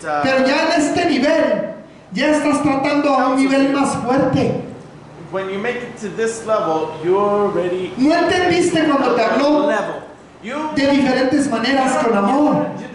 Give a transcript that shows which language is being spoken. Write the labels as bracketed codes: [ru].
[es] pero ya en este nivel, ya estás tratando a un nivel más fuerte. [en] When you make it to this level, you're ready. [es] ¿No entendiste cuando te habló de diferentes maneras con amor?